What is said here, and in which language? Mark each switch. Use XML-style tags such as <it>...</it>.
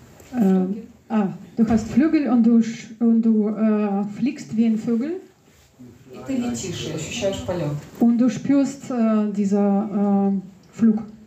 <de>Du hast Flügel und du fliegst wie ein Vogel.</de> <ru>И ты летишь, ощущаешь полет.</ru> <de>Und du spürst dieser Flug.</de>